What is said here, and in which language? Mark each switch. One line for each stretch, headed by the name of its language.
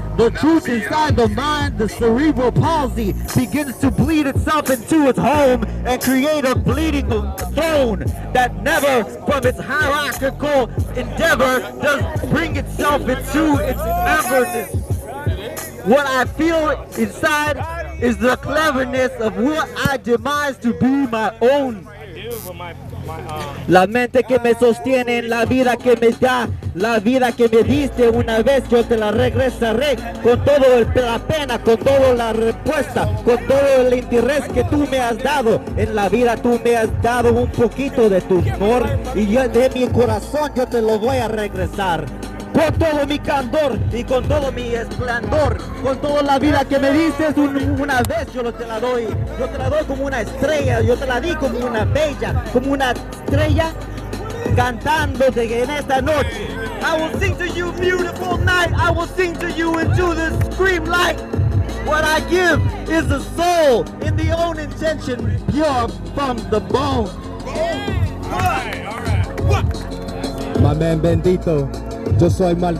English: The truth inside the mind, the cerebral palsy, begins to bleed itself into its home and create a bleeding throne that never from its hierarchical endeavor does bring itself into its everness. What I feel inside is the cleverness of what I demise to be my own.
Spanish: La mente que me sostiene en la vida que me da, la vida que me diste, una vez yo te la regresaré, con todo la pena, con toda la respuesta, con todo el interés que tú me has dado. En la vida tú me has dado un poquito de tu amor, y yo de mi corazón yo te lo voy a regresar. Con todo mi candor y con todo mi esplendor, con toda la vida que me diste, una vez yo te la doy como una estrella, yo te la di como una bella, como una estrella, cantándote en esta noche.
English: I will sing to you, beautiful night, I will sing to you into the scream light. What I give is a soul in the own intention, pure from the bone. My man Bendito.
Spanish: Yo soy Mal.